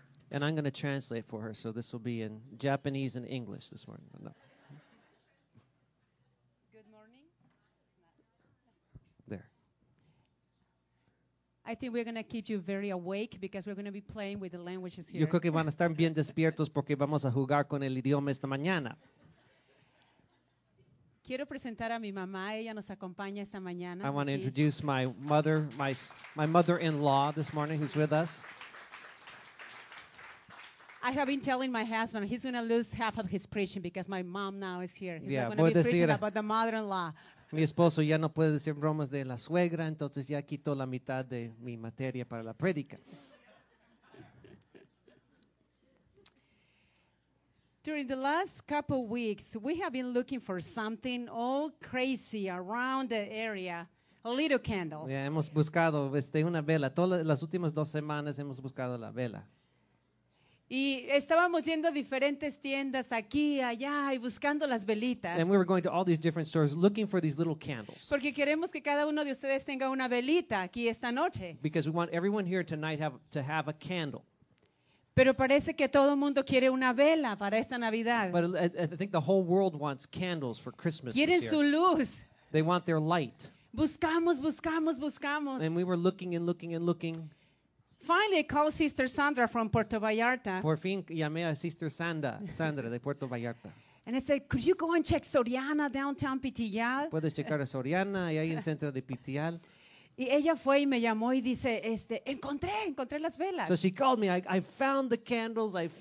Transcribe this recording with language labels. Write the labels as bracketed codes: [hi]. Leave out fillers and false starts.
[en] And I'm going to translate for her, so this will be in Japanese and English this morning. No. Good morning. There. I think we're going to keep you very awake because we're going to be playing with the languages here. [es] Yo creo que van a estar bien despiertos porque vamos a jugar con el idioma esta mañana. Quiero presentar a mi mamá. Ella nos acompaña esta mañana. [en] I want to introduce my mother, my mother-in-law this morning who's with us. I have been telling my husband he's going to lose half of his preaching because my mom now is here. He's yeah, not going to be preaching about the mother-in-law. [es] Mi esposo ya no puede decir bromas de la suegra, entonces ya quitó la mitad de mi materia para la prédica. [en] During the last couple of weeks, we have been looking for something all crazy around the area, a little candle. [es] Yeah, hemos buscado una vela. Todas las últimas dos semanas hemos buscado la vela. Y estábamos yendo a diferentes tiendas aquí, allá, y buscando las velitas. [en] And we were going to all these different stores looking for these little candles. [es] Porque queremos que cada uno de ustedes tenga una velita aquí esta noche. [en] Because we want everyone here tonight to have a candle. [es] Pero parece que todo mundo quiere una vela para esta Navidad. [en] But I think the whole world wants candles for Christmas. [es] Quieren su luz. [en] They want their light. [es] Buscamos, buscamos, buscamos. [en] And we were looking and looking and looking. Finally, I called Sister Sandra from Puerto Vallarta. [es] Por fin llamé a Sister Sandra de Puerto Vallarta. [en] And I said, could you go and check Soriana downtown Pitillal? [es] Puedes checar a Soriana allá en el centro de Pitillal. Y ella fue y me llamó y dice, encontré las velas. [en] So she called me, I found the candles.